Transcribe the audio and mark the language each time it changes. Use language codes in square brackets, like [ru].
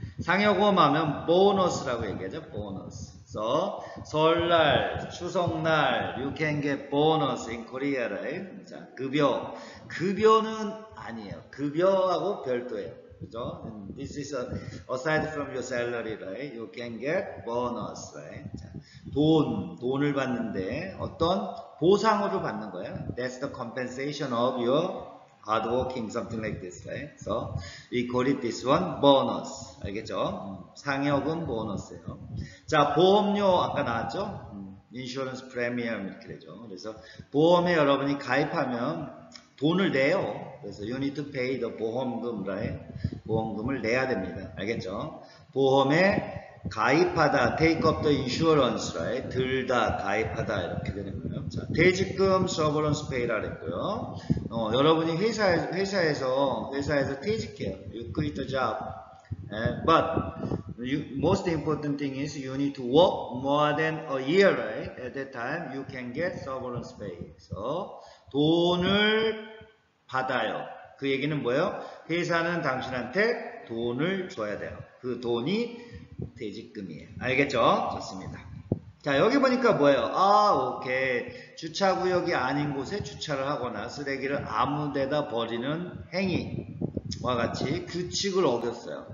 [ko] 상여금 하면 보너스라고 얘기하죠. 보너스. [en] So 설날, 추석날, you can get bonus in Korea, right? [ko] 자, 급여. 급여는 아니에요. 급여하고 별도예요. 그죠? [en] This is aside from your salary, right? You can get bonus, right? [ko] 자, 돈을 받는데 어떤 보상으로 받는 거예요? [en] That's the compensation of your hard working, something like this, right? So we call it this one bonus. [ko] 알겠죠? 상여금 보너스예요. 자, 보험료 아까 나왔죠? Insurance premium 이렇게 되죠. 그래서 보험에 여러분이 가입하면 돈을 내요. 그래서 [en] you need to pay the [ko] 보험금, [en] right? [ko] 보험금을 내야 됩니다. 알겠죠? 보험에 가입하다, [en] take up the insurance, right? [ko] 들다, 가입하다 이렇게 되는 거예요. 자, 퇴직금 severance pay라 그랬고요. 여러분이 회사에서 퇴직해요. [en] You quit the job. But most important thing is you need to work more than a year, right? At that time you can get severance pay. [ko] So 돈을 받아요. 그 얘기는 뭐예요? 회사는 당신한테 돈을 줘야 돼요. 그 돈이 퇴직금이에요. 알겠죠? 좋습니다. 자, 여기 보니까 뭐예요? 아, 오케이. 주차구역이 아닌 곳에 주차를 하거나 쓰레기를 아무데나 버리는 행위와 같이 규칙을 어겼어요.